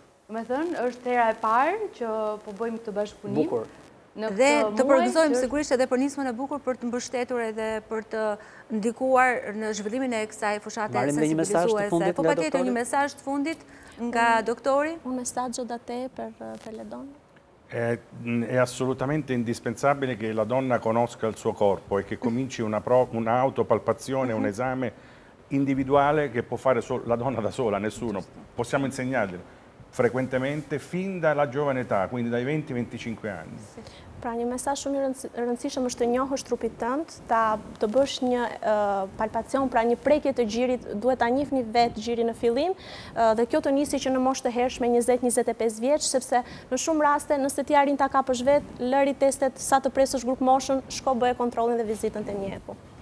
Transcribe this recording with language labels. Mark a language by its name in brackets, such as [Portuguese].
[Albanian] Domethënë është hera e parë që po bëjmë këtë bashkëpunim. Bukur. Dhe të përgëzojmë që... sigurisht edhe për nismën e bukur, për të mbështetur edhe për të ndikuar në zhvillimin e kësaj fushate sensibilizuese. Po patjetër një mesazh të fundit nga doktori. Un mesazh da te per Teledon. [Italian] È assolutamente indispensabile che la donna conosca il suo corpo e che cominci un'autopalpazione, un esame individuale che può fare la donna da sola, nessuno. Giusto. Possiamo insegnargli frequentemente fin dalla giovane età, quindi dai 20-25 anni. Sì. [Albanian] Pra një mesazh shumë i rëndësishëm është të njohësh trupit tënd, të bësh një palpacion, pra një prekje të gjirit, duhet ta njihni vetë gjirin në fillim, dhe kjo të nisi që në moshë të hershme 20-25 vjeç, sepse në shumë raste nëse ti arrin ta kapësh vetë, lëri testet sa të presësh grup moshën, shko bëje kontrollin dhe vizitën te mjeku.